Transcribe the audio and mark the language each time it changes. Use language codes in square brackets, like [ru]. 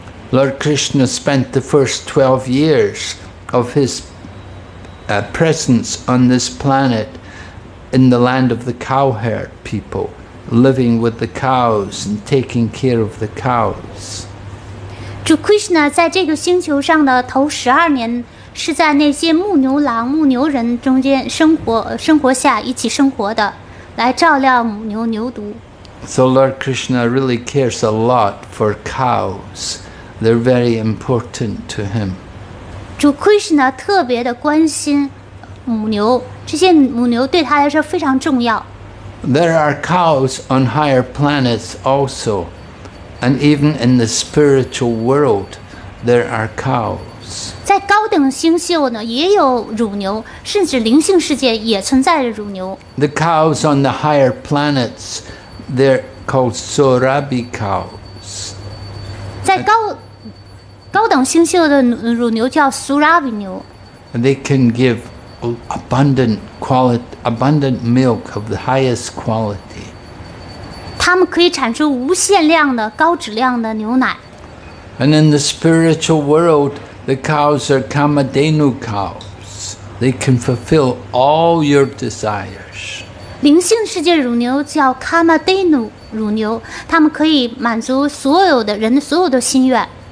[en] Lord Krishna spent the first 12 years of his presence on this planet in the land of the cowherd people, living with the cows and taking care of the cows. [zh] 主 Krishna 在这个星球上的头十二年是在那些牧牛郎、牧牛人中间生活下一起生活的，来照料母牛、牛犊。 [en] So Lord Krishna really cares a lot for cows. They're very important to him. [zh] 主 Krishna 特别的关心母牛，这些母牛对他来说非常重要。 [en] There are cows on higher planets also, and even in the spiritual world, there are cows. [zh] 在高等星宿呢，也有乳牛，甚至灵性世界也存在着乳牛。 [en] The cows on the higher planets, they're called Sorabi cows. [zh] 在高等星宿的乳牛叫 Sorabi 牛。 [en] They can give abundant milk of the highest quality. [zh] 它们可以产出无限量的高质量的牛奶。 [en] And in the spiritual world, the cows are Kamadhenu cows. They can fulfill all your desires. [zh] 灵性世界乳牛叫 Kamadhenu 乳牛，它们可以满足所有的人的所有的心愿。